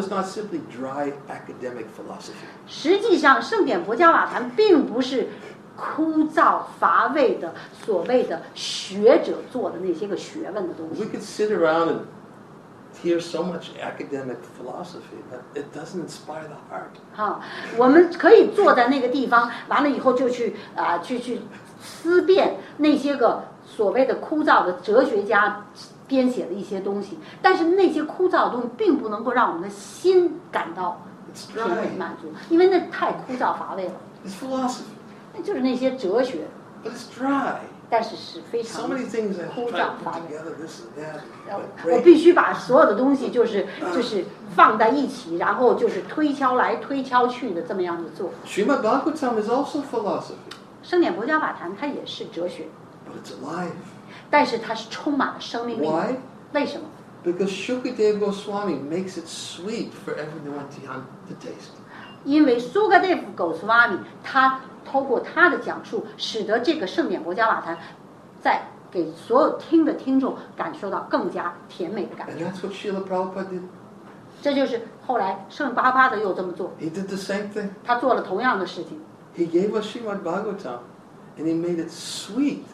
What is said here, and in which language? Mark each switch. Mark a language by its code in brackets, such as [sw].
[en] Srimad Bhagavatam is not simply dry academic philosophy. [zh] 实际上，圣典博伽瓦坛并不是枯燥乏味的所谓的学者做的那些个学问的东西。 [en] We could sit around and hear so much academic philosophy, but it doesn't inspire the heart. [zh] 好，我们可以坐在那个地方，完了以后就去啊，去思辨那些个所谓的枯燥的哲学家编写的一些东西，但是那些枯燥的东西并不能够让我们的心感到甜美满足，因为那太枯燥乏味了。 [en] It's philosophy. [zh] 那就是那些哲学。 [en] But it's dry. [zh] 但是是非常枯燥乏味。 [en] So many things I've tried to put together, this and that. [zh] 我必须把所有的东西就是放在一起，然后就是推敲来推敲去的这么样的做。 [en] Srimad Bhagavatam is also philosophy. [zh] 圣典薄伽瓦坛它也是哲学。 [en] But it's alive. [zh] 但是它是充满了生命力。 [en] Why? [zh] 为什么？ [en] Because Shukadeva Goswami makes it sweet for everyone to taste. [zh] 因为 Shukadeva Goswami 他透过他的讲述，使得这个圣典薄伽瓦坛在给所有听的听众感受到更加甜美的感觉。 [en] And that's what Srila Prabhupada did. [zh] 这就是后来圣巴巴的又这么做。 [en] He did the same thing. [zh] 他做了同样的事情。 [en] He gave us Srimad Bhagavatam, and he made it sweet.